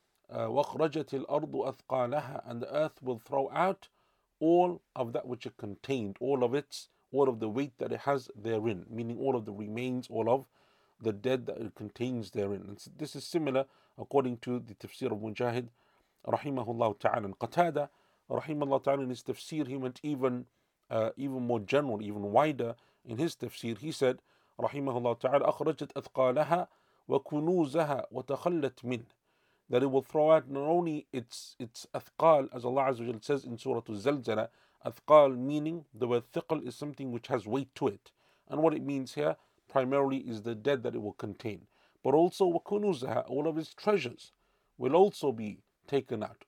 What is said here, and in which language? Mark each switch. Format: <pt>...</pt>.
<ar>وَخْرَجَتِ الْأَرْضُ أَثْقَالَهَا,</ar> <en>and the earth will throw out all of that which it contained, all of its, all of the weight that it has therein, meaning all of the remains, all of the dead that it contains therein. And so this is similar according to the tafsir of Mujahid, rahimahullah ta'ala. And Qatada, rahimahullah ta'ala, in his tafsir, he went even more general, even wider in his tafsir. He said,</en> <ar>rahimahullah ta'ala, أَخْرَجَتْ أَثْقَالَهَا وَكُنُوزَهَا وَتَخَلَّتْ مِنْهِ.</ar> <en>That it will throw out not only its athqal, as Allah Azza wa Jal says in Surah Al-Zalzala, athqal meaning the word thiqal is something which has weight to it. And what it means here, primarily, is the dead that it will contain. But also, وَكُنُوزَهَا, all of its treasures will also be taken out.</en>